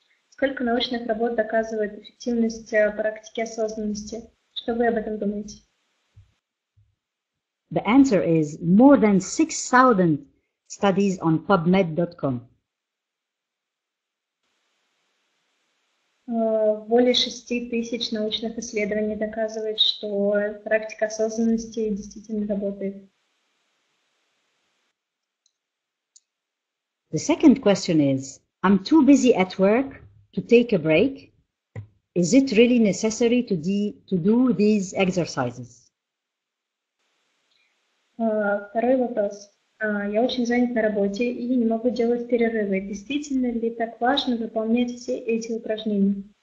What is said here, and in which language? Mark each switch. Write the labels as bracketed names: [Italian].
[Russian] Сколько научных работ доказывает эффективность практики осознанности? Что вы об этом думаете? [English] The answer is more than 6,000 studies on PubMed.com. [Russian] более 6000 научных исследований доказывает, что практика осознанности действительно работает. [English] The second question is, I'm too busy at work to take a break. Is it really necessary to do these exercises? [Russian] Второй вопрос. Я очень занят на работе и не могу делать перерывы. Действительно ли так важно выполнять все эти упражнения?